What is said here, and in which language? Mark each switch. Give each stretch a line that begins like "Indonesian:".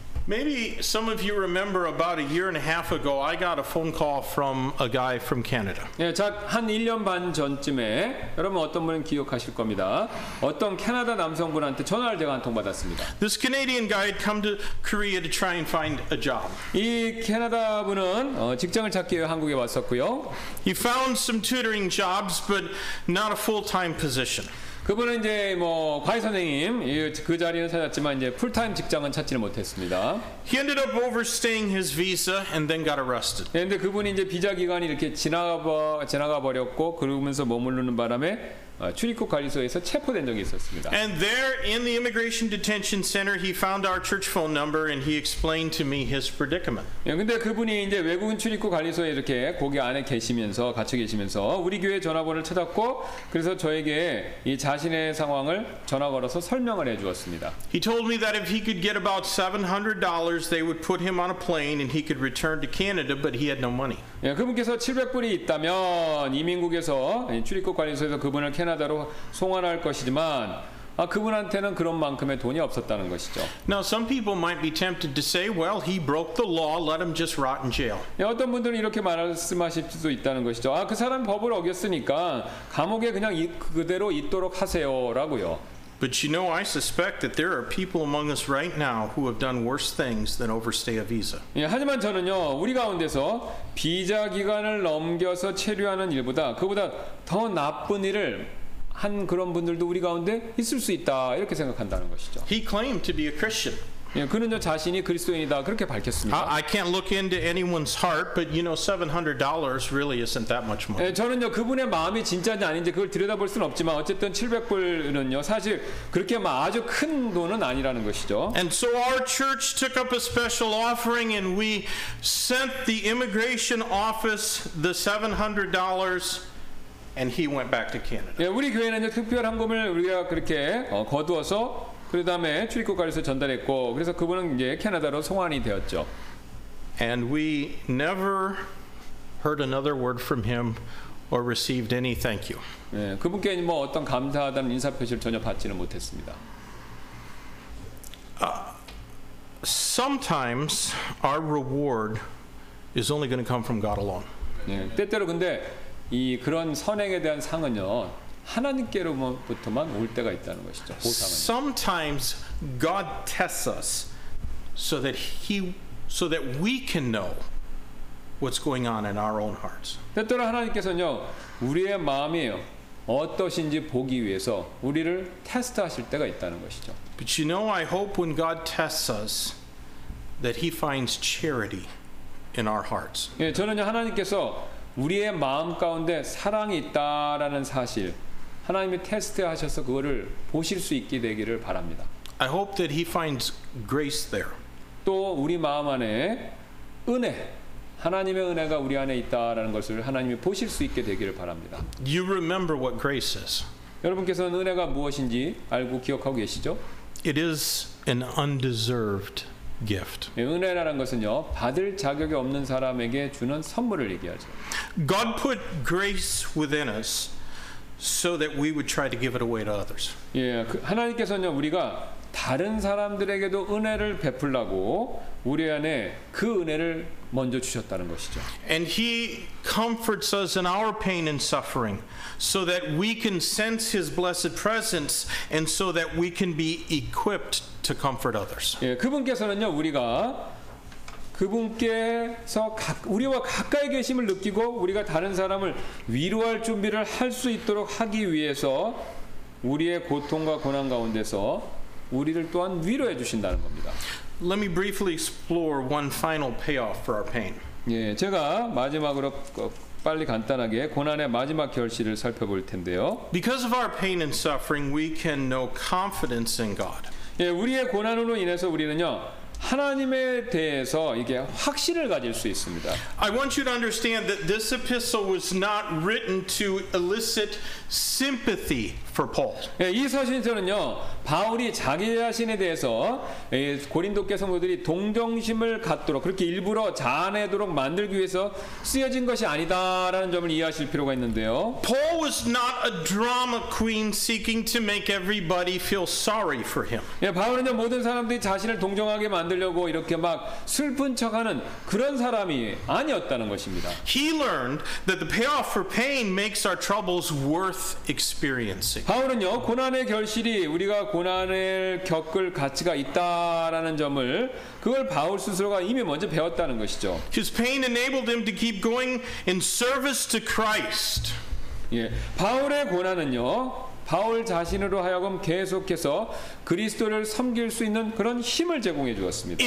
English: Maybe some of you remember about a year and a half ago, I got a phone call from a guy from Canada.
Korean: 예, 작 한 1년 반 전쯤에 여러분 어떤 분은 기억하실 겁니다. 어떤 캐나다 남성분한테 전화를 제가 한 통 받았습니다.
English: This Canadian guy had come to Korea to try and find a job.
Korean: 이 캐나다 분은 직장을 찾기 위해 한국에 왔었고요.
English: He found some tutoring jobs, but not a full-time position.
Korean: 그분은 이제 뭐 과외 선생님 그 자리는 찾았지만 이제 풀타임 직장은 찾지는 못했습니다.
English: He ended up overstaying his visa and then got arrested.
Korean: 그런데 그분이 이제 비자 기간이 이렇게 지나가 버렸고 그러면서 머무르는 바람에 출입국 관리소에서 체포된 적이 있었습니다.
English: And there in the immigration detention center, he found our church phone number and he explained to me his predicament.
Korean: 그런데 그분이 이제 외국인 출입국 관리소에 이렇게 거기 안에 계시면서 갇혀 계시면서 우리 교회 전화번호를 찾았고 그래서 저에게 이 자신의 상황을 전화 걸어서 설명을 해 주었습니다.
English: He told me that if he could get about $700, they would put him on a plane and he could return to Canada, but he had no money.
Korean: 예, 그분께서 700불이 있다면 이민국에서 출입국 관리소에서 그분을 캐나다로 송환할 것이지만 아, 그분한테는 그런 만큼의 돈이 없었다는 것이죠.
English: Now some people might be tempted to say, well, he broke the law, let him just rot in jail.
Korean: 예, 어떤 분들은 이렇게 말씀하실 수도 있다는 것이죠. 아, 그 사람 법을 어겼으니까 감옥에 그냥 그대로 있도록 하세요라고요.
English: But you know, I suspect that there are people among us right now who have done worse things than overstay a visa.
Korean: 예, 하지만 저는요, 우리 가운데서 비자 기간을 넘겨서 체류하는 일보다 그보다 더 나쁜 일을 한 그런 분들도 우리 가운데 있을 수 있다 이렇게 생각한다는 것이죠.
English: He claimed to be a Christian.
Korean: 예, 그는요 자신이 그리스도인이다 그렇게 밝혔습니다.
English: I can't look into anyone's heart, but you know, $700 really isn't that much money.
Korean: 예, 저는요 그분의 마음이 진짜인지 아닌지 그걸 들여다볼 수는 없지만 어쨌든 700불은요 사실 그렇게 막 아주 큰 돈은 아니라는 것이죠.
English: And so our church took up a special offering, and we sent the immigration office the $700. And he went back to Canada.
Korean: 예, 우리 교회는 이제 특별 헌금을 우리가 그렇게 거두어서 그다음에 출입국 관리소에 전달했고 그래서 그분은 이제 캐나다로 송환이 되었죠.
English: And we never heard another word from him or received any thank you.
Korean: 예, 그분께 뭐 어떤 감사하다는 인사 표시를 전혀 받지는 못했습니다.
English: Sometimes our reward is only going to come from God alone.
Korean: 예, 때때로 근데 이 그런 선행에 대한 상은요 하나님께로부터만 올 때가 있다는 것이죠. 보상은.
English: Sometimes God tests us so that we can know what's going on in our own hearts.
Korean: 때때로 하나님께서는요 우리의 마음이 어떠신지 보기 위해서 우리를 테스트하실 때가 있다는 것이죠.
English: But you know, I hope when God tests us that He finds charity in our hearts.
Korean: 예, 저는요 하나님께서 우리의 마음 가운데 사랑이 있다라는 사실 하나님이 테스트하셔서 그거를 보실 수 있게 되기를 바랍니다.
English: I hope that he finds grace there.
Korean: 또 우리 마음 안에 은혜 하나님의 은혜가 우리 안에 있다라는 것을 하나님이 보실 수 있게 되기를 바랍니다.
English: You remember what grace is.
Korean: 여러분께서는 은혜가 무엇인지 알고 기억하고 계시죠?
English: It is an undeserved gift.
Korean: 은혜라는 것은요 받을 자격이 없는 사람에게 주는 선물을 얘기하죠.
English: God put grace within us so that we would try to give it away to others.
Korean: 예, 하나님께서는 우리가 다른 사람들에게도 은혜를 베풀라고 우리 안에 그 은혜를 먼저 주셨다는 것이죠.
English: And he comforts us in our pain and suffering so that we can sense his blessed presence and so that we can be equipped to comfort others.
Korean: 예, 그분께서는요, 우리가 그분께서 우리와 가까이 계심을 느끼고 우리가 다른 사람을 위로할 준비를 할 수 있도록 하기 위해서 우리의 고통과 고난 가운데서 우리를 또한 위로해 주신다는 겁니다.
English: Let me briefly explore one final payoff for our pain.
Korean: 예, 제가 마지막으로 빨리 간단하게 고난의 마지막 결실을 살펴볼 텐데요.
English: Because of our pain and suffering, we can know confidence in God.
Korean: 예, 우리의 고난으로 인해서 우리는요. 하나님에 대해서 이게 확신을 가질 수 있습니다.
English: I want you to understand that this epistle was not written to elicit sympathy for Paul.
Korean: 예, 이 서신서는요. 바울이 자기 자신에 대해서 고린도 교성도들이 동정심을 갖도록 그렇게 일부러 자아내도록 만들기 위해서 쓰여진 것이 아니다라는 점을 이해하실 필요가 있는데요.
English: Paul was not a drama queen seeking to make everybody feel sorry for him.
Korean: 예, 바울은 모든 사람들이 자신을 동정하게 만들려고 이렇게 막 슬픈 척하는 그런 사람이 아니었다는 것입니다.
English: He learned that the payoff for pain makes our troubles worth experiencing.
Korean: 바울은요, 고난의 결실이 우리가 고난을 겪을 가치가 있다라는 점을 그걸 바울 스스로가 이미 먼저 배웠다는 것이죠.
English: His pain enabled him to keep going in service to Christ.
Korean: 예, 바울의 고난은요. 바울 자신으로 하여금 계속해서 그리스도를 섬길 수 있는 그런 힘을 제공해 주었습니다.